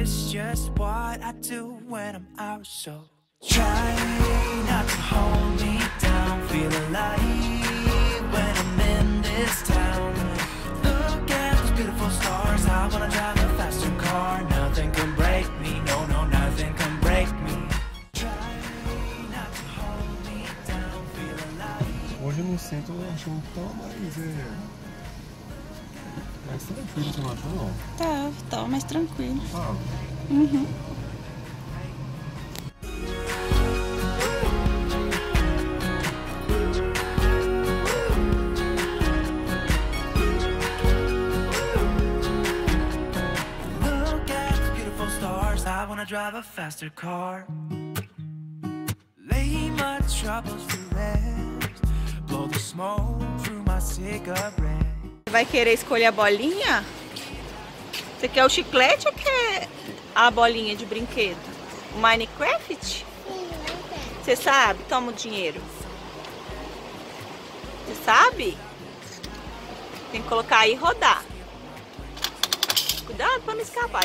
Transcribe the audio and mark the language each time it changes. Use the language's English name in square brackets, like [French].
[English] Just what I do when I'm out, so try not to hold me down. Feel alive when I'm in this town. Look at those beautiful stars. I wanna drive a faster car. Nothing can break me. No, no, nothing can break me. Try not to hold me down. Feel alive. [Portuguese] Hoje no centro eu acho que tá mais. Mais tranquilo, você não achou, não? Tá mais tranquilo. Tá. [English] Look at the beautiful stars. I wanna drive a faster car. Lay my troubles to rest. Blow the smoke through my cigarette. [Portuguese] Vai querer escolher a bolinha? Você quer o chiclete ou quer a bolinha de brinquedo? Minecraft? Sim, Minecraft. Você sabe? Toma o dinheiro. Você sabe? Tem que colocar aí e rodar. Cuidado pra não escapar.